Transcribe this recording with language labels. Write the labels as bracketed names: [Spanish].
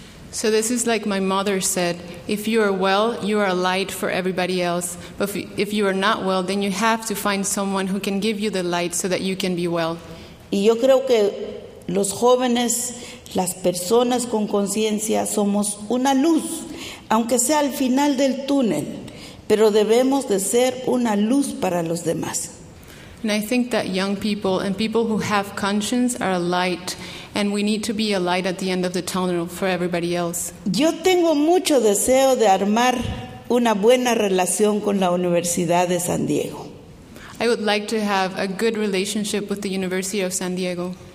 [English] So this is like my mother said, if you are well, you are a light for everybody else. But if you are not well, then you have to find someone who can give you the light so that you can be well. [Spanish] Y yo creo que los jóvenes, las personas con conciencia, somos una luz, aunque sea al final del túnel, pero debemos de ser una luz para los demás. [English] And I think that young people and people who have conscience are a light, and we need to be a light at the end of the tunnel for everybody else. [Spanish] Yo tengo mucho deseo de armar una buena relación con la Universidad de San Diego. [English] I would like to have a good relationship with the University of San Diego.